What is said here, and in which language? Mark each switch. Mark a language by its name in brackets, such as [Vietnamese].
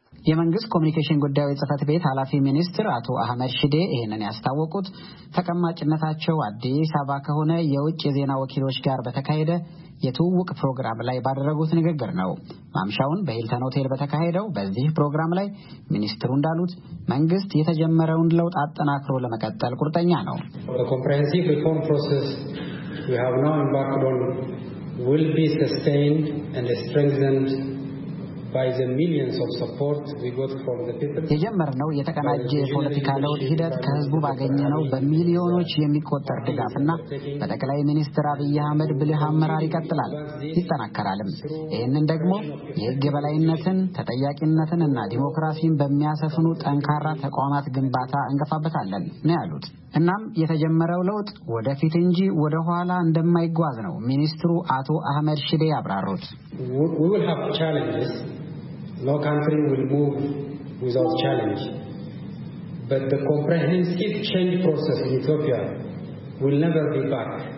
[Amharic] የመንግስት ኮሙኒኬሽን ጉዳዮች ጽህፈት ቤት ኃላፊ ሚኒስትር አቶ አህመድ ሺዴ ይህንን ያስታወቁት ተቀማጭነታቸው አዲስ አበባ ከሆነ የውጭ የዜና ወኪሎች ጋር በተካሄደ የትውውቅ ፕሮግራም ላይ ባደረጉት ንግግር ነው። ማምሻውን በሂልተን ሆቴል በተካሄደው በዚህ ፕሮግራም ላይ ሚኒስትሩ እንዳሉት መንግስት የተጀመረውን ለውጥ አጠናክሮ ለመቀጠል ቁርጠኛ ነው። [English] The comprehensive reform process we have now embarked on will be sustained and strengthened by the millions of support we got from the people. [Amharic] የጀመርነው የተቀናጀ የፖለቲካ ለውጥ ሂደት ከህዝቡ ባገኘነው በሚሊዮኖች የሚቆጠር ድጋፍና በጠቅላይ ሚኒስትር አብይ አህመድ ብልህ አመራር ይቀጥላል፣ ይጠናከራልም። ይህንን ደግሞ የህግ የበላይነትን፣ ተጠያቂነትን እና ዲሞክራሲን በሚያሰፍኑ ጠንካራ ተቋማት ግንባታ እንገፋበታለን ነው ያሉት። እናም የተጀመረው ለውጥ ወደፊት እንጂ ወደ ኋላ እንደማይጓዝ ነው ሚኒስትሩ አቶ አህመድ ሺዴ አብራሩት። [English] We will have challenges. No country will move without challenge. But the comprehensive change process in Ethiopia will never be back.